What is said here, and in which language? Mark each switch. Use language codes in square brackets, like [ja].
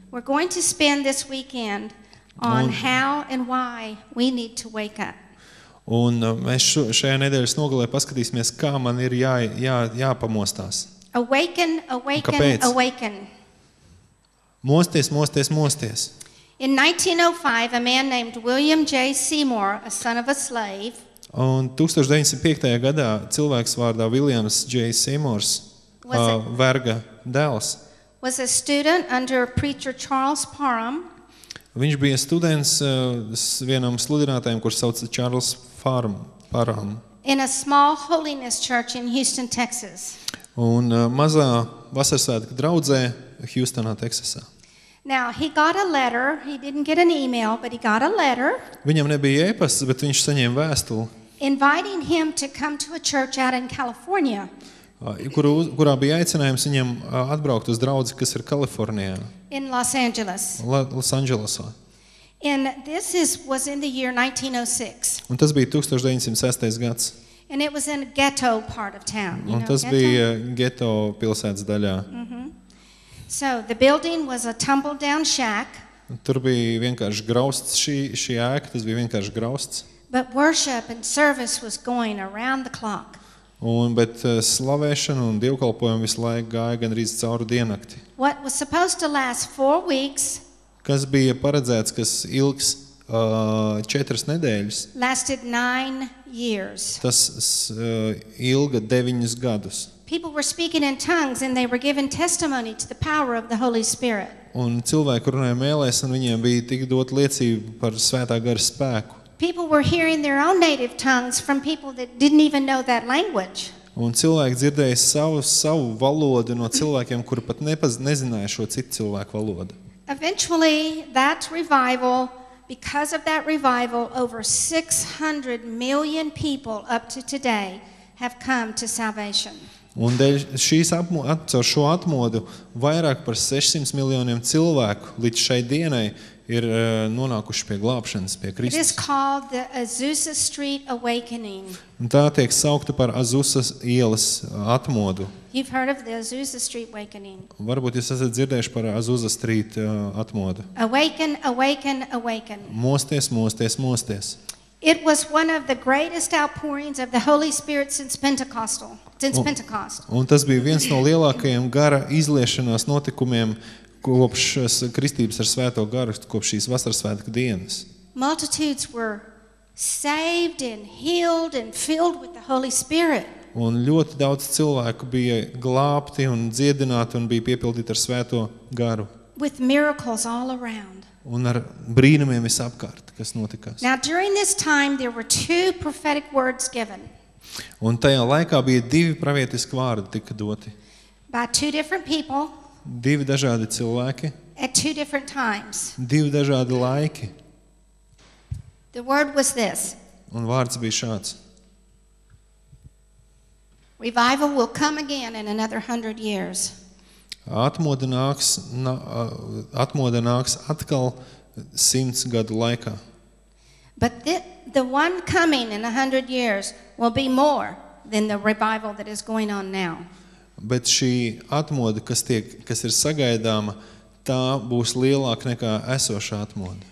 [en] We're going to spend this weekend on un, how and why we need to wake up. [lv] Un mēs šajā nedēļas nogalē paskatīsimies, kā man ir jāpamostās. [en] Awaken, awaken, awaken. [lv] Mosties, mosties, mosties. [en] In 1905, a man named William J. Seymour, a son of a slave, [lv] un 1905. Gadā cilvēks vārdā Williams J. Seymours, verga dēls, [en] was a student under preacher Charles Parham. [lv] Viņš bija students vienam sludinātājam, kurš sauca Charles Parham. [en] In a small holiness church in Houston, Texas. [lv] Un mazā vasarsvētku draudzē Houstonā, Teksasā. [en] Now he got a letter. He didn't get an email, but he got a letter. [lv] Viņam nebija e-pasts, bet viņš saņēma vēstuli. [en] Inviting him to come to a church out in California. [lv] Kurā bija aicinājums viņam atbraukt uz draudzi, kas ir Kalifornijā. [en] In Los Angeles. [lv] Los Angelesā. [en] And this was in the year 1906. [lv] Un tas bija 1906. Gads. [en] And it was in a ghetto part of town. [lv] Un tas bija ghetto pilsētas daļā. [en] So the building was a tumble down shack. [lv] Tur bija vienkārši grausts šī ēka, tas bija vienkārši grausts. [en] But worship and service was going around the clock. [lv] Un bet slavēšana un dievkalpojumi visu laiku gāja gandrīz cauri diennakti. [en] What was supposed to last 4 weeks? [lv] Kas bija paredzēts, kas ilgs 4 nedēļas? [en] Lasted 9 years. [lv] Tas ilga 9 gadus. [en] People were speaking in tongues and they were given testimony to the power of the Holy Spirit. [lv] Un cilvēki runāja mēlēs un viņiem bija tik dot liecība par Svētā Gara spēku. [en] People were hearing their own native tongues from people that didn't even know that language. [lv] Un cilvēki dzirdēja savu valodu no cilvēkiem, kuri pat nezināja šo citu cilvēku valodu. [en] Eventually that revival, because of that revival, over 600 million people up to today have come to salvation. [lv] Un dēļ šīs šo atmodu vairāk par 600 miljoniem cilvēku līdz šai dienai ir nonākuši pie glābšanas, pie Kristus. [en] It is called the Azusa Street Awakening. [lv] Un tā tiek saukta par Azusa ielas atmodu. [en] You've heard of the Azusa Street Awakening. [lv] Varbūt jūs esat dzirdējuši par Azusa Street atmodu. [en] Awaken, awaken, awaken. [lv] Mosties, mosties, mosties. [en] It was one of the greatest outpourings of the Holy Spirit since Pentecostal. Pentecost. [lv] Un tas bija viens no lielākajiem gara izliešanās notikumiem kopš kristības ar Svēto Garu, kopš šīs vasarsvētku dienas. [en] Multitudes were saved and healed and filled with the Holy Spirit. [lv] Un ļoti daudz cilvēku bija glābti un dziedināti un bija piepildīti ar Svēto Garu. [en] With miracles all around. [lv] Un ar brīnumiem visapkārt, kas notikās. [en] Now during this time there were two prophetic words given. [lv] Un tajā laikā bija divi pravietiski vārdi tika doti. [en] By two different people. [lv] Divi dažādi cilvēki. [en] At two different times. [lv] Divi dažādi laiki. [en] The word was this. [lv] Un vārds bija šāds. [en] Revival will come again in another 100 years. [lv] Atmoda nāks atkal 100 gadu laikā. [en] But the one coming in 100 years will be more than the revival that is going on now. [lv] Bet šī atmoda, kas ir sagaidāma, tā būs lielāka nekā esošā atmoda.